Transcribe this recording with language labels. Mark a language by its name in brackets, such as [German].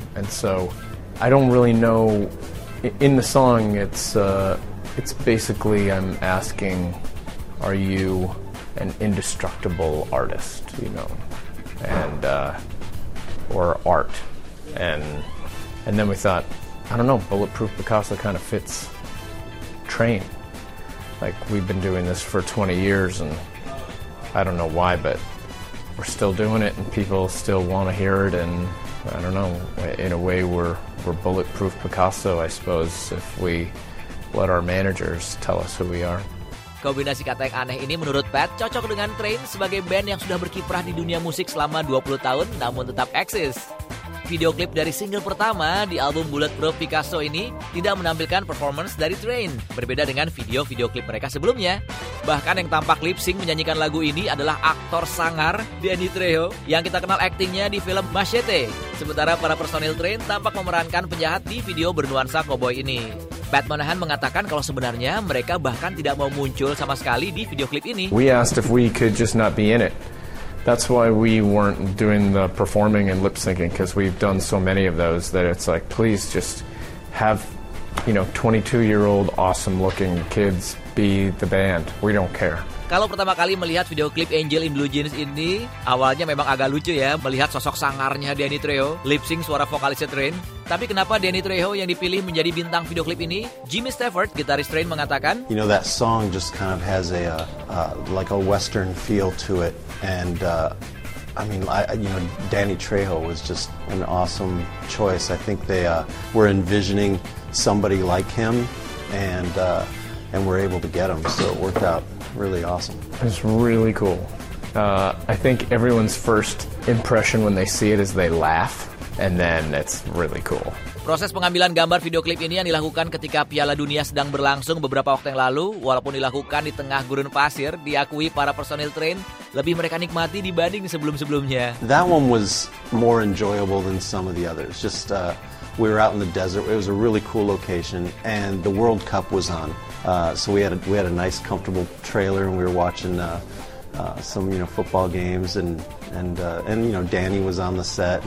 [English] And so I don't really know. In the song, it's basically I'm asking, are you an indestructible artist, you know, and or art, and then we thought, I don't know, Bulletproof Picasso kind of fits Train, like we've been doing this for 20 years and I don't know why, but we're still doing it and people still want to hear it, and I don't know, in a way we're Bulletproof Picasso, I suppose, if we let our managers tell us who we are. [Indonesian] Kombinasi kata yang aneh ini menurut Pat cocok dengan Train sebagai band yang sudah berkiprah di dunia musik selama 20 tahun namun tetap eksis. Video klip dari single pertama di album Bulletproof Picasso ini tidak menampilkan performance dari Train, berbeda dengan video-video klip mereka sebelumnya. Bahkan yang tampak lip-sync menyanyikan lagu ini adalah aktor sangar Danny Trejo yang kita kenal aktingnya di film Machete. Sementara para personil Train tampak memerankan penjahat di video bernuansa cowboy ini. Pat Monahan mengatakan kalau sebenarnya mereka bahkan tidak mau muncul sama sekali di video klip ini. [English] We asked if we could just not be in it. That's why we weren't doing the performing and lip syncing, because we've done so many of those that it's like, please just have, you know, 22-year-old awesome looking kids be the band. We don't care. [Indonesian] Kalau pertama kali melihat video klip Angel in Blue Jeans ini, awalnya memang agak lucu ya melihat sosok sangarnya Danny Trejo, lip sync suara vokalisnya Train. Tapi kenapa Danny Trejo yang dipilih menjadi bintang video klip ini? Jimmy Stafford, gitaris Train, mengatakan, [English] "You know, that song just kind of has a like a western feel to it, and I mean, Danny Trejo was just an awesome choice. I think they were envisioning somebody like him and were able to get him, so it worked out really awesome. It's really cool. I think everyone's first impression when they see it is they laugh." And then it's really cool. [Indonesian] Proses pengambilan gambar video klip ini yang dilakukan ketika Piala Dunia sedang berlangsung beberapa waktu yang lalu, walaupun dilakukan di tengah gurun pasir, diakui para personil Train lebih mereka nikmati dibanding sebelum-sebelumnya. [English] That one was more enjoyable than some of the others. Just we were out in the desert. It was a really cool location, and the World Cup was on. So we had a nice, comfortable trailer, and we were watching some, you know, football games, and you know, Danny was on the set.